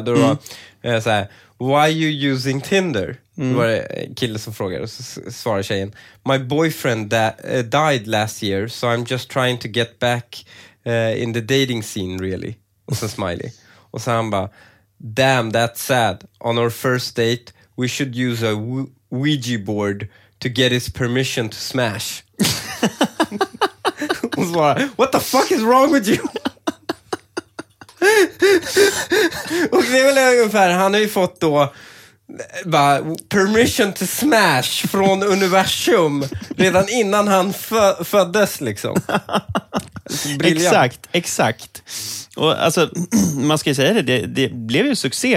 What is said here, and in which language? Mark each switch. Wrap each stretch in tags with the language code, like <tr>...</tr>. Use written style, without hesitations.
<sv>Då var så här,</sv> <en>why are you using Tinder?</en> <sv>Det var det en kille som frågade, och så svarade tjejen.</sv> <en>My boyfriend died last year, so I'm just trying to get back in the dating scene, really.</en> <sv>Och så smiley. Och så han bara,</sv> <en>damn, that's sad. On our first date, we should use a Ouija board to get his permission to smash.</en> <sv>Och så bara,</sv> <en>what the fuck is wrong with you?</en> <sv>Och det är väl ungefär, han har ju fått då bara,</sv> <en>permission to smash</en> <sv>från universum redan innan han föddes liksom. Exakt, exakt. Och alltså, man ska ju säga det blev ju succé.</sv>